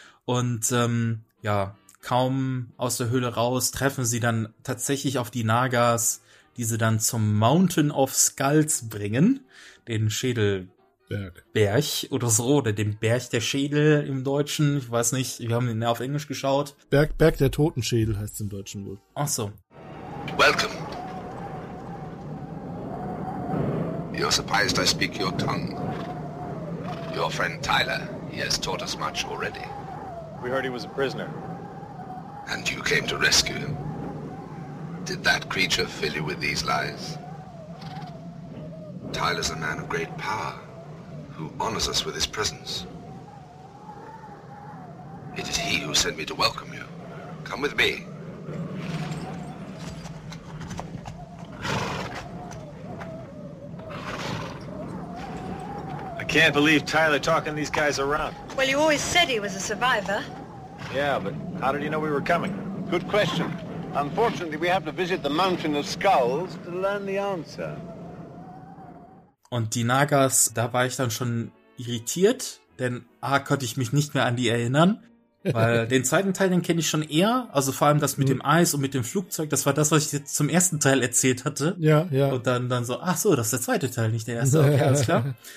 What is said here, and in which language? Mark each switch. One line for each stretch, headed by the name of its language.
German: Und ja, kaum aus der Höhle raus, treffen sie dann tatsächlich auf die Nagas, die sie dann zum Mountain of Skulls bringen. Den Schädel... Berg oder so, oder den Berg der Schädel im Deutschen, ich weiß nicht, wir haben ihn auf Englisch geschaut. Berg der Totenschädel heißt es im Deutschen wohl. Ach so.
English: Welcome. You're surprised I speak your tongue. Your friend Tyler, he has taught us much already. We heard he was a prisoner. And you came to rescue him. Did that creature fill you with these lies? Tyler's a man of great power. Who honors us with his presence. It is he who sent me to welcome you. Come with me. I can't believe Tyler talking these guys around. Well, you always said he was a survivor. Yeah, but how did he know we were coming? Good question. Unfortunately, we have to visit the Mountain of Skulls to learn the answer.
German: Und die Nagas, da war ich dann schon irritiert, denn A, konnte ich mich nicht mehr an die erinnern, weil den zweiten Teil, den kenne ich schon eher, also vor allem das mit dem Eis und mit dem Flugzeug, das war das, was ich jetzt zum ersten Teil erzählt hatte. Ja, ja. Und dann so, ach so, das ist der zweite Teil, nicht der erste, okay, alles klar.